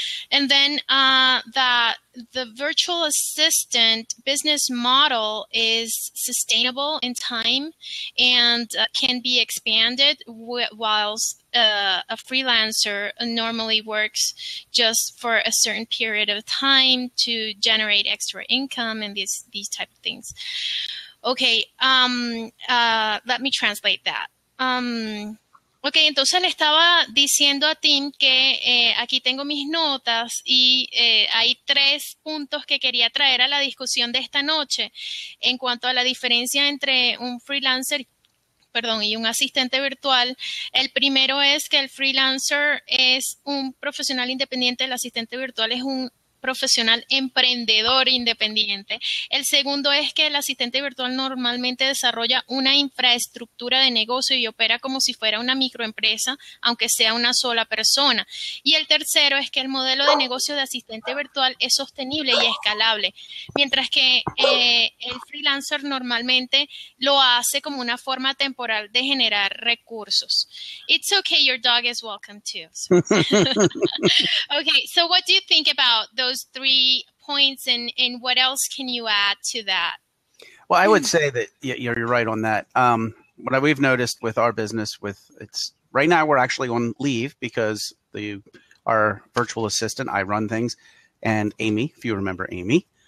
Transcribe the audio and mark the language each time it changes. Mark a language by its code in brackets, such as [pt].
[en] And then that the virtual assistant business model is sustainable in time and can be expanded whilst a freelancer normally works just for a certain period of time to generate extra income and these type of things. Okay, let me translate that. [es] Ok, entonces le estaba diciendo a Tim que aquí tengo mis notas y hay 3 puntos que quería traer a la discusión de esta noche en cuanto a la diferencia entre un freelancer, perdón, y un asistente virtual. El primero es que el freelancer es un profesional independiente, el asistente virtual es un profesional emprendedor independiente. El segundo es que el asistente virtual normalmente desarrolla una infraestructura de negocio y opera como si fuera una microempresa, aunque sea una sola persona. Y el tercero es que el modelo de negocio de asistente virtual es sostenible y escalable, mientras que el freelancer normalmente lo hace como una forma temporal de generar recursos. [en] It's okay, your dog is welcome too. Okay, so what do you think about those three points, and what else can you add to that? Well, I would say that you're right on that. What we've noticed with our business, with it's right now we're actually on leave because the our virtual assistant, I run things, and Amy, if you remember Amy,